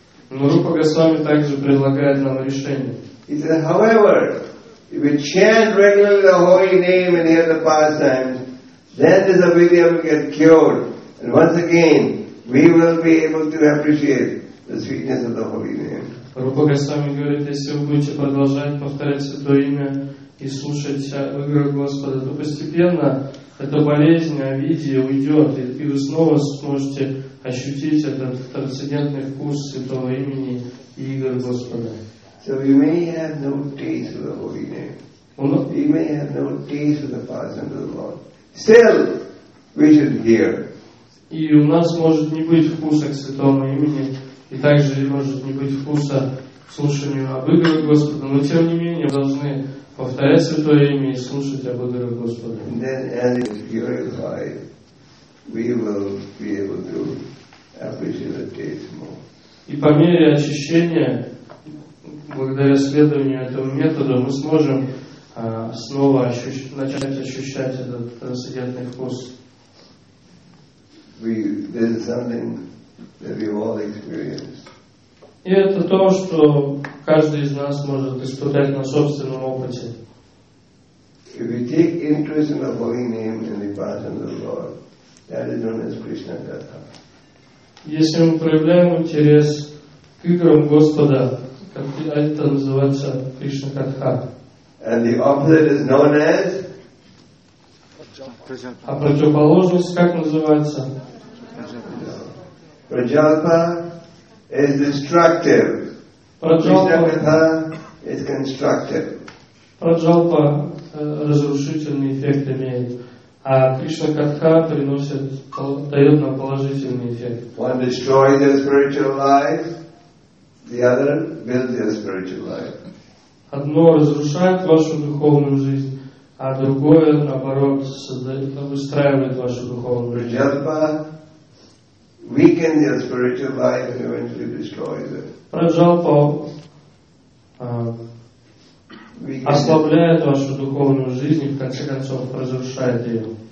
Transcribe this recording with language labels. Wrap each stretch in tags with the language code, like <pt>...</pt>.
<ru>Но Рупа Госвами также предлагает нам решение.</ru> <en>He said, however, if we chant regularly the holy name and hear the pastimes, then this avidya will get cured. And once again, we will be able to appreciate the sweetness of the holy name.</en> <ru>Рупа Госвами говорит, если вы будете продолжать повторять святое имя и слушать игры Господа, то постепенно эта болезнь, авидия уйдет, и вы снова сможете ощутить этот трансцендентный вкус святого имени и игр Господа.</ru> <en>So you may have no taste for the holy name. You may have no taste for the pastimes of the Lord. Still, we should hear.</en> <ru>И у нас может не быть вкуса к святому имени, и также может не быть вкуса к слушанию об играх Господа, но тем не менее мы должны повторять святое имя и слушать об играх Господа.</ru> <en>And then, as it's purified, we will be able to appreciate the taste more.</en> <ru>И по мере очищения, благодаря следованию этому методу, мы сможем снова начать ощущать этот трансцендентный вкус.</ru> <en>This is something that we've all experienced.</en> <ru>И это то, что каждый из нас может испытать на собственном опыте.</ru> <en>If we take interest in the holy name and the pastimes of the Lord, that is known as Krishna Katha.</en> <ru>Если мы проявляем интерес к играм Господа, это называется Кришна Катха.</ru> <en>And the opposite is known as?</en> <ru>А противоположность как называется?</ru> <en>Prajalpa is destructive. Krishna Katha is constructive.</en> <ru>Prajalpa разрушительный эффект имеет. А Кришна Катха приносит, дает нам положительный эффект.</ru> <en>One destroys their spiritual life, the other builds their spiritual life.</en> <ru>Одно разрушает вашу духовную жизнь, а другое, наоборот, создает, выстраивает вашу духовную жизнь.</ru> <en>Праджалпа weakens your spiritual life and eventually destroys it.</en> <ru>Праджалпа ослабляет вашу духовную жизнь и в конце концов разрушает ее.</ru>